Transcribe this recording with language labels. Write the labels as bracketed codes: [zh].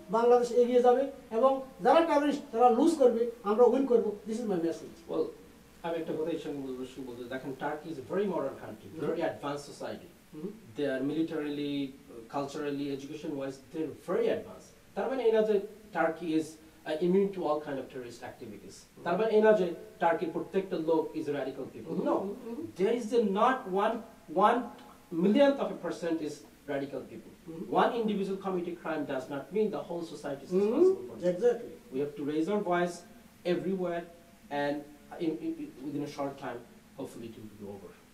[bn] Bangladesh এগিয়ে যাবে এবং যারা টেরোরিস্ট তারা লুজ করবে, আমরা উইন করব। [en] This is my message. Well, I mean, [bn] একটা কথা ইসলাম বলবো, শুধু বলবো, দেখেন [en] Turkey is a very modern country, very advanced society. They are militarily, culturally, education wise, they are very advanced. [bn] তার মানে এই না যে [en] Turkey is immune to all kind of terrorist activities. [bn] তার মানে এই না যে টার্কি প্রত্যেকটা লোক [en] is radical people. No, there is not one millionth of a percent is radical people. One individual committed crime does not mean the whole society is responsible for this. Exactly. We have to raise our voice everywhere, and within a short time, hopefully it will be over.